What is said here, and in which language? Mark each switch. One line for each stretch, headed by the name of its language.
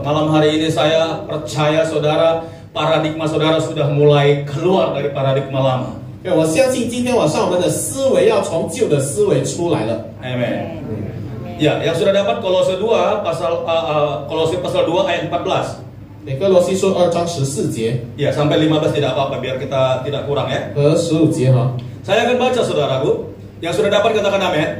Indonesian: Malam hari ini saya percaya saudara, paradigma saudara sudah mulai keluar dari paradigma lama.
Chinese: Ya, 我相信今天晚上我们的思维要从旧的思维出来了。
Indonesian: Amen. Ya, yang sudah dapat Kolose 2 pasal Kolose pasal 2 ayat 14. Kolose 2 ayat 14节. Ya, sampai 15 tidak apa-apa biar kita tidak kurang ya.
Chinese: 15节 ha.
Indonesian: Saya akan baca, saudaraku. Yang sudah dapat katakan amin.